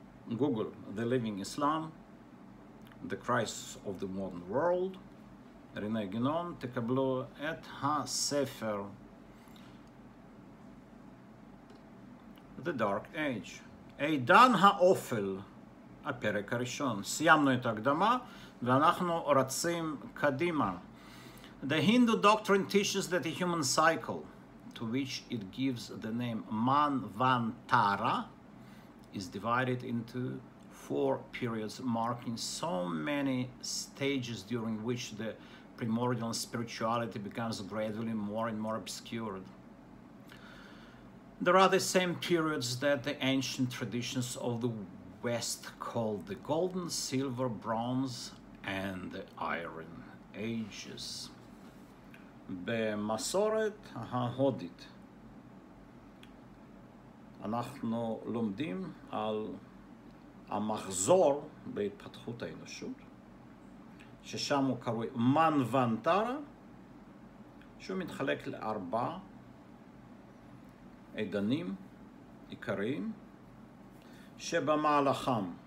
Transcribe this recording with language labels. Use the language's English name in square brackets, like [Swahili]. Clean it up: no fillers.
[Hebrew] Google The Living Islam, The Crisis of the Modern World, רנה גנון, תקבלו את הספר The Dark Age, עידן האופל, הפרק הראשון. סיימנו את ההקדמה ואנחנו רצים קדימה. [English] The Hindu doctrine teaches that the human cycle, to which it gives the name Manvantara, is divided into four periods marking so many stages during which the primordial spirituality becomes gradually more and more obscured. There are the same periods that the ancient traditions of the West called the golden, silver, bronze, and the iron ages. [Hebrew] במסורת ההודית אנחנו לומדים על המחזור בהתפתחות האנושות, ששם הוא קרוי מנוונטרה, שהוא מתחלק לארבע עידנים עיקריים, שבמהלכם